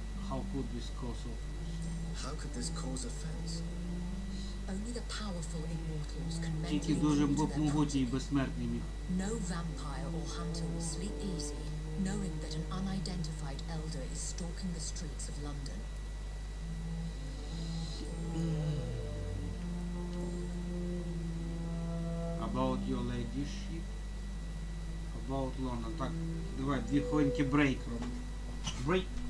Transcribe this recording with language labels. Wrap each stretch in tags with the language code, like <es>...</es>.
<en>How could this cause offense? How could this cause offense? Only the powerful immortals can make.</en> <uk>Тільки дуже могутні безсмертні міг.</uk> <en>No vampire or hunter will sleep easy, knowing that an unidentified elder is stalking the streets of London. About your ladyship, about Lorna.</en> <uk>Так, давай, дві хвилинки брейк робимо. Брейк!</uk>